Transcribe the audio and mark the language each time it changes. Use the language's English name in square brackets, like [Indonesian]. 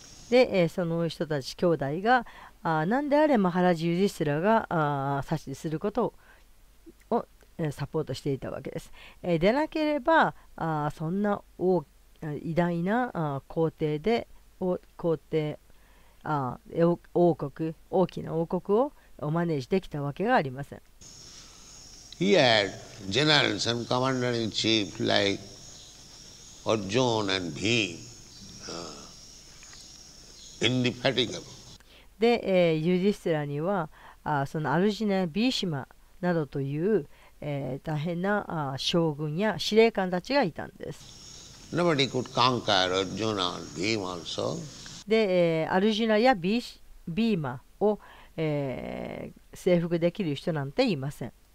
[Japanese] で、その人たち兄弟が、何であれマハラジ・ユディシュテラが指示することをサポートしていたわけです。でなければそんな偉大な皇帝で皇帝王国大きな王国をおマネージできたわけがありません。 [English] He had generals and commander in chief like Arjun and Bhim. [Japanese] で、ユディシュテラにはそのアルジナやビーシマなどという、大変な将軍や司令官たちがいたんです。 [English] Nobody could conquer Arjuna and Bhima also. [Japanese] で、アルジナやビーマを、征服できる人なんていません。